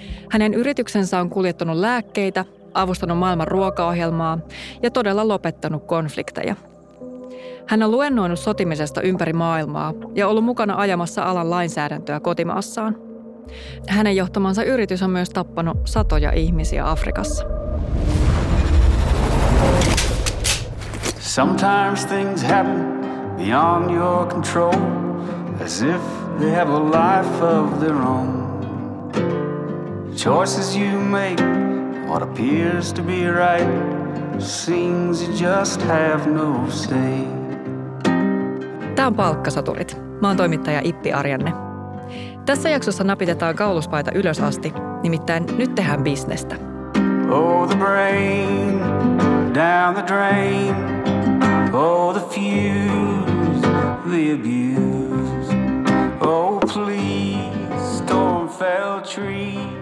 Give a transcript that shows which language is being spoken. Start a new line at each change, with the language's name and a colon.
Finnish: Hänen yrityksensä on kuljettanut lääkkeitä, avustanut maailman ruokaohjelmaa ja todella lopettanut konflikteja. Hän on luennoinut sotimisesta ympäri maailmaa ja ollut mukana ajamassa alan lainsäädäntöä kotimaassaan. Hänen johtamansa yritys on myös tappanut satoja ihmisiä Afrikassa.
English: Sometimes things happen beyond your control, as if they have a life of their own. Choices you make, what appears to be right, seems you just have no say.
Finnish: Tämä on Palkkasoturit. Mä oon toimittaja Ippi Arjanne. Tässä jaksossa napitetaan kauluspaita ylös asti, nimittäin nyt tehdään bisnestä.
English: Oh the brain, down the drain, oh the fuse, the abuse, oh please, storm fell tree.